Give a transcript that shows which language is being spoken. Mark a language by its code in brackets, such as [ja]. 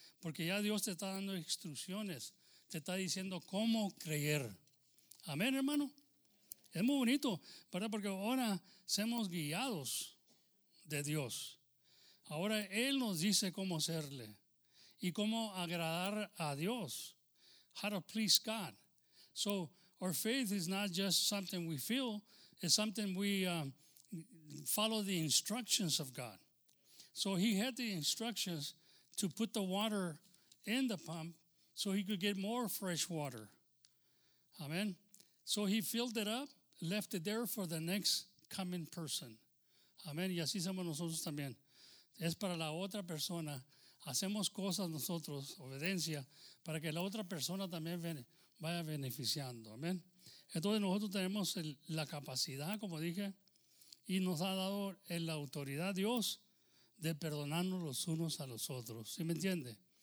[es] Porque ya Dios te está dando instrucciones, te está diciendo cómo creer. Amén, hermano. Es muy bonito, ¿verdad? Porque ahora somos guiados de Dios. Ahora Él nos dice cómo serle y cómo agradar a Dios. [en] How to please God. So, our faith is not just something we feel, it's something we follow the instructions of God. So he had the instructions to put the water in the pump so he could get more fresh water. Amen. So he filled it up, left it there for the next coming person. [es] Amen. Y así somos nosotros también. Es para la otra persona. Hacemos cosas nosotros, obediencia, para que la otra persona también vaya beneficiando. Amén. Entonces nosotros tenemos la capacidad, como dije, y nos ha dado la autoridad Dios de perdonarnos los unos a los otros. ¿Sí me entiende?